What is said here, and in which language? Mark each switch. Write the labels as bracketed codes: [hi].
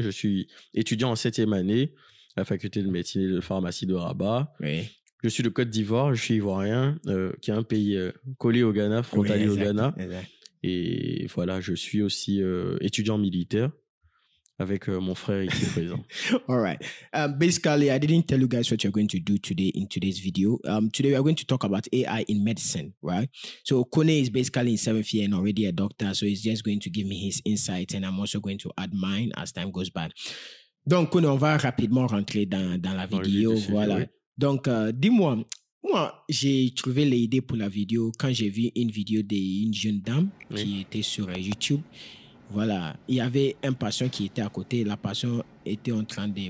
[fr] Je suis étudiant en 7e année à la faculté de médecine et de pharmacie de Rabat. Oui. Je suis de Côte d'Ivoire, je suis ivoirien, qui est un pays collé au Ghana, frontalier au Ghana. Exact. Et voilà, je suis aussi étudiant militaire avec mon frère ici présent. [en] All right. Basically, I didn't tell you guys what you're going to do today in today's video. Today, we are going to talk about AI in medicine, right? So Koné is basically in 7th year and already a doctor. So he's just going to give me his insight, and I'm also going to add mine as time goes by. [fr] Donc, Koné, on va rapidement rentrer dans la vidéo. Voilà. Oui. Donc, dis-moi. Moi, j'ai trouvé l'idée pour la vidéo quand j'ai vu une vidéo d'une jeune dame qui était sur YouTube. Voilà, il y avait un patient qui était à côté. La patiente était en train de...